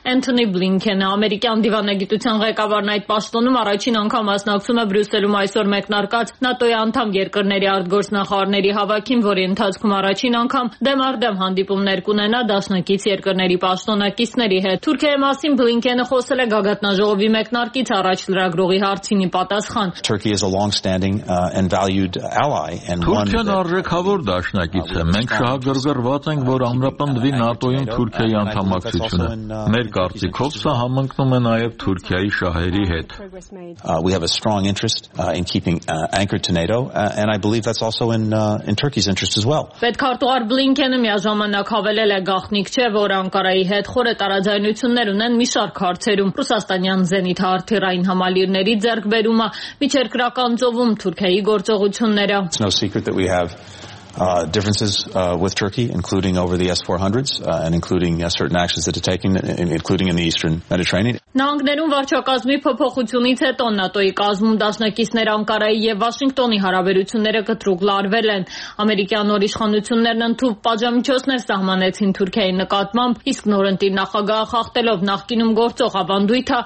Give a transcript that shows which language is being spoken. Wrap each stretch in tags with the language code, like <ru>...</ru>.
<hy>Էնթոնի Բլինքենը։ Ամերիկյան դիվանագիտության ղեկավարն այդ պաշտոնում առաջին անգամ մասնակցում է Բրյուսելում այսօր մեկնարկած ՆԱՏՕ-ի անդամ երկրների արտգործնախարարների հավաքին, որի ընթացքում առաջին անգամ դեմարդեմ հանդիպումներ կունենա դաշնակից երկրների պաշտոնակիցների հետ։ Թուրքիայի մասին Բլինքենը խոսել է Գագաթնաժողովի մեկնարկից առաջ</hy> <en>Turkey is a long-standing and valued ally and one</en> <hy>Թուրքիան արժեքավոր դաշնակից է։ Մենք շահագրգռված ենք, որ ամրապնդվի ՆԱՏՕ-ին Թուրքիայի անդամակցությունը։ Մեր կարծիքով սա համընկնում է նաև Թուրքիայի շահերի հետ։</hy> <en>We have a strong interest in keeping anchored to NATO and I believe that's also in Turkey's interest as well։</en> <hy>Պետքարտուղար Բլինքենը միաժամանակ հավելել է, գաղտնիք չէ, որ Անկարայի հետ խորը տարաձայնություններ ունեն մի շարք հարցերում՝ Ռուսաստանյան Զենիթ-արթի այն համալիրների ձեռքբերումը, միջերկրական ծովում Թուրքիայի գործողությունները։</hy> <en>It's no secret that we have differences with Turkey, including over the S-400s and including certain actions that are taken, including in the Eastern Mediterranean.</en> <hy>Նահանգներում վարչակազմի փոփոխությունից հետո ՆԱՏՕ-ի կազմում դաշնակիցներ Անկարայի եւ Վաշինգտոնի հարաբերությունները կտրուկ լարվել են։ Ամերիկյան նոր իշխանություններն ընդհուպ պատժամիջոցներ սահմանեցին Թուրքիայի նկատմամբ, իսկ նորընտիր նախագահը խախտելով նախկինում գործող ավանդույթը,</hy>